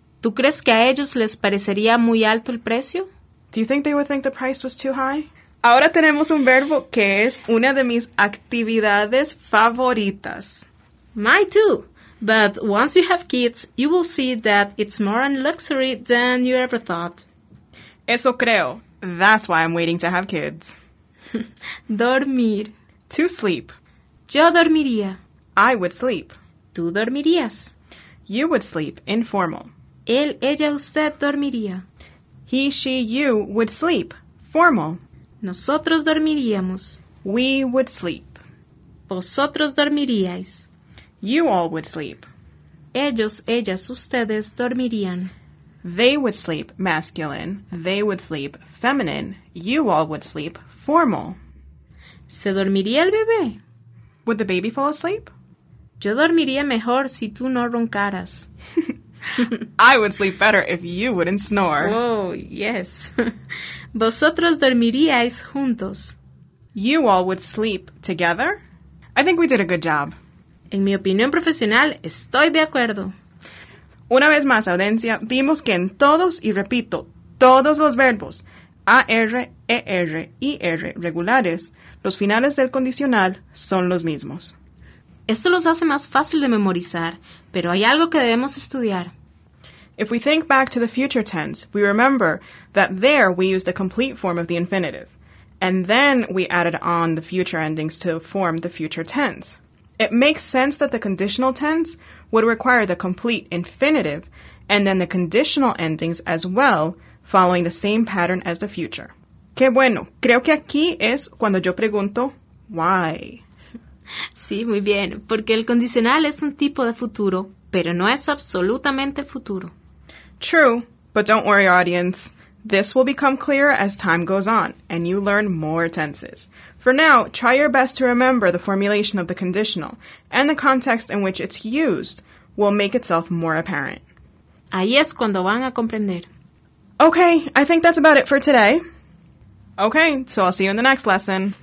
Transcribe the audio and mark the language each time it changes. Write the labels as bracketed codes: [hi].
[es] ¿Tú crees que a ellos les parecería muy alto el precio? [en] Do you think they would think the price was too high? [es] Ahora tenemos un verbo que es una de mis actividades favoritas. [en] Mine too. But once you have kids, you will see that it's more a luxury than you ever thought. [es] Eso creo. [en] That's why I'm waiting to have kids. [es] Dormir. [en] To sleep. [es] Yo dormiría. [en] I would sleep. [es] Tú dormirías. [en] You would sleep, informal. [es] Él, ella, usted dormiría. [en] He, she, you would sleep, formal. [es] Nosotros dormiríamos. [en] We would sleep. [es] Vosotros dormiríais. [en] You all would sleep. [es] Ellos, ellas, ustedes dormirían. [en] They would sleep, masculine. They would sleep, feminine. You all would sleep, formal. [es] ¿Se dormiría el bebé? [en] Would the baby fall asleep? [es] Yo dormiría mejor si tú no roncaras. [en] I would sleep better if you wouldn't snore. Oh, yes. [es] Vosotros dormiríais juntos. [en] You all would sleep together? I think we did a good job. [es] En mi opinión profesional, estoy de acuerdo. Una vez más, audiencia, vimos que en todos, y repito, todos los verbos, AR, ER y R regulares, los finales del condicional son los mismos. Esto los hace más fácil de memorizar, pero hay algo que debemos estudiar. [en] If we think back to the future tense, we remember that there we used the complete form of the infinitive, and then we added on the future endings to form the future tense. It makes sense that the conditional tense would require the complete infinitive and then the conditional endings as well, following the same pattern as the future. [es] Qué bueno. Creo que aquí es cuando yo pregunto, [en] why? [es] Sí, muy bien. Porque el condicional es un tipo de futuro, pero no es absolutamente futuro. [en] True, but don't worry, audience. This will become clearer as time goes on and you learn more tenses. For now, try your best to remember the formulation of the conditional, and the context in which it's used will make itself more apparent. [es] Ahí es cuando van a comprender. [en] Okay, I think that's about it for today. Okay, so I'll see you in the next lesson.